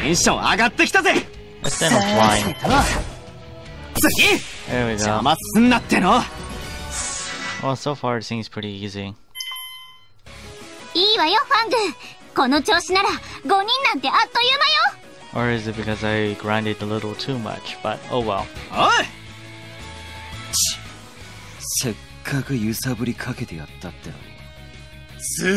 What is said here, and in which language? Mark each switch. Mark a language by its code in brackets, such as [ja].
[ja] テンション上がってきたぜ。さあ次だ。次、邪魔すんなっての。 [en] Well, so far it seems pretty easy。 [ja] いいわよファング、この調子なら5人なんてあっという間よ。 [en] Or is it because I grinded a little too much? But oh well。 [ja] おい、せっかく揺さぶりかけてやったってのに。